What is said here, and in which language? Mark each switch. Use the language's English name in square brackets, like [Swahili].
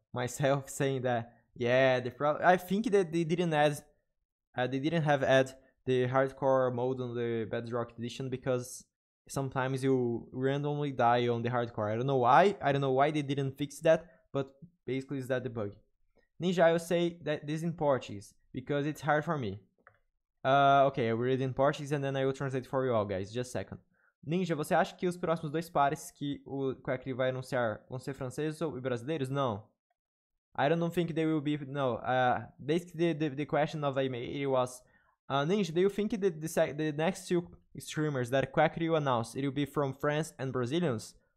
[English] Myself saying that, yeah, I think that they didn't add the hardcore mode on the Bedrock edition because sometimes you randomly die on the hardcore. I don't know why they didn't fix that, but basically is that the bug. Ninja, I will say that this in Portuguese because it's hard for me. Okay, I will read it in Portuguese and then I will translate for you all, guys. Just a second. [Portuguese] Ninja, você acha que os próximos dois pares que o Quackery vai anunciar vão ser franceses ou brasileiros? Não. [English] I don't think they will be, no, basically the question of Aimee was, Ninja, do you think that the next two streamers that Quackery will announce, it will be from France and Brazilians?